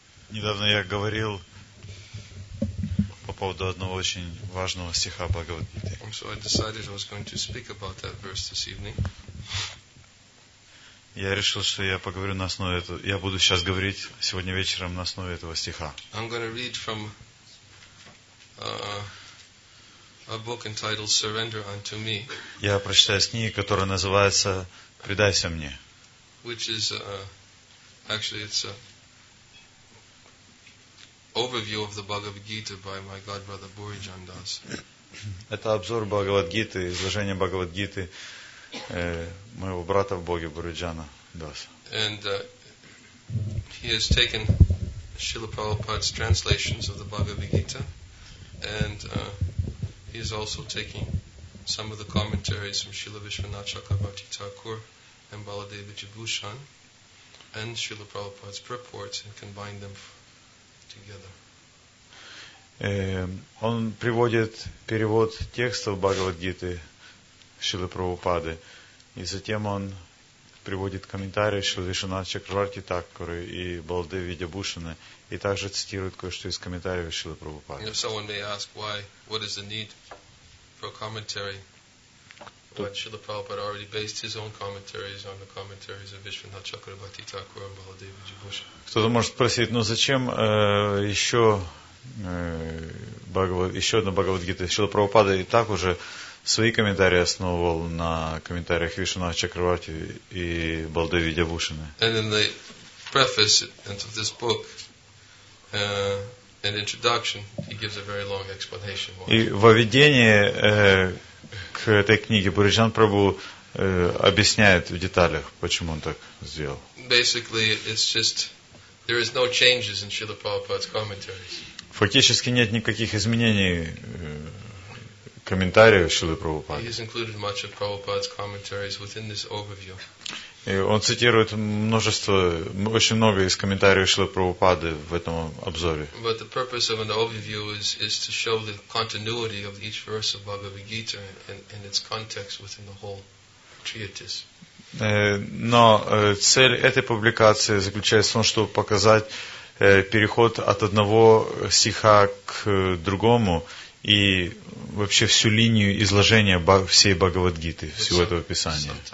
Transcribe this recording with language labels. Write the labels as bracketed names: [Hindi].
[Russian] Недавно я говорил по поводу одного очень важного стиха Бхагавад Гиты. [English] So I decided I was going to speak about that verse this evening. [Russian] Я решил, что я поговорю на основе этого. Я буду сейчас говорить сегодня вечером на основе этого стиха. [English] I'm going to read from a book entitled "Surrender Unto Me." [Russian] Я прочитаю из книги, которая называется «Предайся мне». [English] Which is actually it's a overview of the Bhagavad Gita by my god brother Bhurijan Das. [Russian] Это обзор Бхагавад Гиты, изложение Бхагавад Гиты моего брата в Боге Бхуриджана Дас. [English] And he has taken Srila Prabhupada's translations of the Bhagavad Gita, and he is also taking some of the commentaries from Srila Vishwanath Chakravarti Thakur and Baladeva Jibhushan and Srila Prabhupada's purports and combined them together. [Russian] Он приводит перевод текстов Бхагавад Гиты Шрилы Прабхупады, и затем он приводит комментарии Шрилы Вишванатха Чакраварти Такуры и Баладеви Джабушаны, и также цитирует кое-что из комментариев Шрилы Прабхупады. [English] If someone may ask why, what is the need for a commentary? But Srila Prabhupada already based his own commentaries on the commentaries of Vishwanath Chakravarti Thakur and Baladeva Jibhushan. [Russian] Кто-то может спросить, ну зачем еще одна Бхагавад-гита? Шрила Прабхупада и так уже свои комментарии основывал на комментариях Вишванатха Чакраварти и Баладеви Джабушаны. [English] And in the preface of this book, an introduction, he gives a very long explanation. [Russian] И во введении к этой книге Бхуриджан Прабху объясняет в деталях, почему он так сделал. [English] Basically, it's just there is no changes in Srila Prabhupada's commentaries. [Russian] Фактически нет никаких изменений комментариев Шрилы Прабхупады. [English] He has included much of Prabhupada's commentaries within this overview. [Russian] И он цитирует множество, очень много из комментариев Шрилы Прабхупады в этом обзоре. [English] But the purpose of an overview is to show the continuity of each verse of Bhagavad Gita in its context within the whole treatise. [Russian] Но цель этой публикации заключается в том, чтобы показать переход от одного стиха к другому и вообще всю линию изложения всей Бхагавад-гиты, всего этого писания.